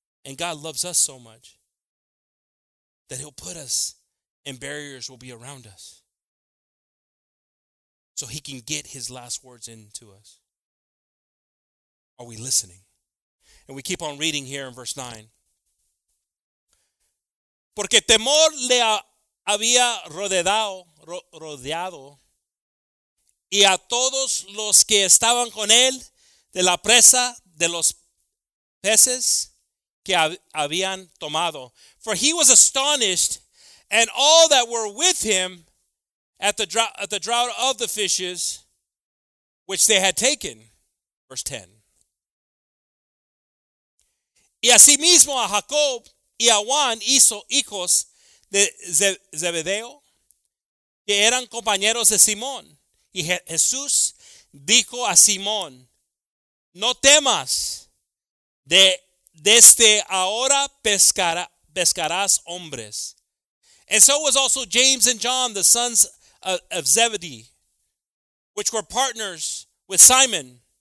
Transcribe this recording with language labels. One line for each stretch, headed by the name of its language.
English: And God loves us so much that he'll put us and barriers will be around us so he can get his last words into us. Are we listening? And we keep on reading here in verse 9.
Spanish: Porque temor le había rodeado y a todos los que estaban con él de la presa de los peces que habían tomado.
English: For he was astonished, and all that were with him at the drought of the fishes which they had taken. Verse 10.
Spanish: Y asimismo a Jacob y a Juan hizo hijos de Zebedeo, que eran compañeros de Simón. Y Jesús dijo a Simón, no temas, desde ahora pescarás hombres.
English: And so was also James and John, the sons of Zebedee, which were partners with Simon.